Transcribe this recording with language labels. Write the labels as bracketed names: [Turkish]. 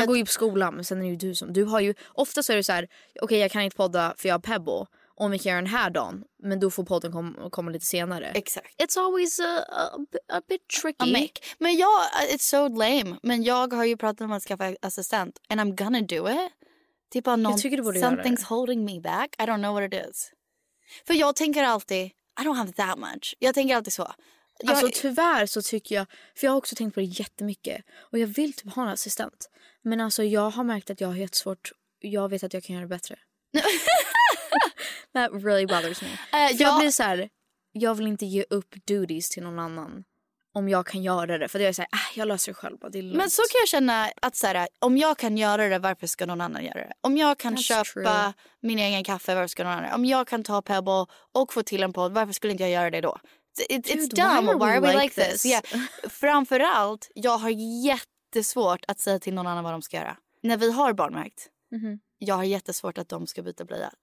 [Swedish] Han går ju på skolan, men sen är det ju du som... Du har ju... Ofta så är det så här, okej, jag kan inte podda för jag har Pebble. Om vi kan göra den här dagen, men då får podden komma lite senare. Exakt. [English] It's always a bit tricky. [Swedish] Men jag... [English] It's so lame. [Swedish] Men jag har ju pratat om att skaffa assistent. [English] And I'm gonna do it. [Swedish] Typ bara [English] something's holding me back. I don't know what it is. [Swedish] För jag tänker alltid, [English] I don't have that much. [Swedish] Jag tänker alltid så. Alltså tyvärr så tycker jag, för jag har också tänkt på det jättemycket. Och jag vill typ ha en assistent. Men alltså jag har märkt att jag har helt svårt, jag vet att jag kan göra det bättre. [English] That really bothers me. [Swedish] Jag blir så här, jag vill inte ge upp duties till någon annan. Om jag kan göra det. För det är såhär, jag löser det själv. Det men så kan jag känna att så här, om jag kan göra det, varför ska någon annan göra det? Om jag kan min egen kaffe, varför ska någon annan? Om jag kan ta Pebble och få till en podd, varför skulle inte jag göra det då? [English] It's dumb, why are we like this? Yeah. [Swedish] Framförallt, jag har jättesvårt att säga till någon annan vad de ska göra. När vi har barnmärkt, jag har jättesvårt att de ska byta blöja.